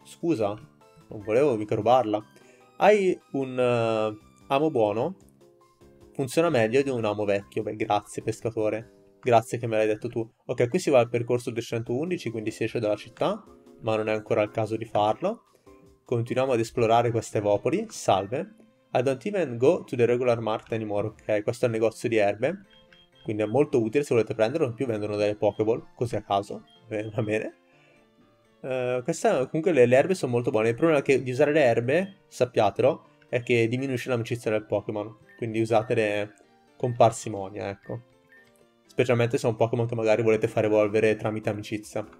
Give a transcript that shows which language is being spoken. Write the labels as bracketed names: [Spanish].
[Italian] Scusa, non volevo mica rubarla. Hai un amo buono? Funziona meglio di un amo vecchio. Beh, grazie pescatore. Grazie che me l'hai detto tu. Ok, qui si va al percorso 211, quindi si esce dalla città, ma non è ancora il caso di farlo. Continuiamo ad esplorare queste evopoli. Salve. [English] I don't even go to the regular market anymore. [Italian] Ok, questo è il negozio di erbe. Quindi è molto utile se volete prenderlo. In più vendono delle Pokéball, così a caso. Va bene. Comunque le erbe sono molto buone. Il problema è che di usare le erbe, sappiatelo, è che diminuisce l'amicizia del Pokémon. Quindi usatele con parsimonia, ecco. Specialmente se è un Pokémon che magari volete far evolvere tramite amicizia.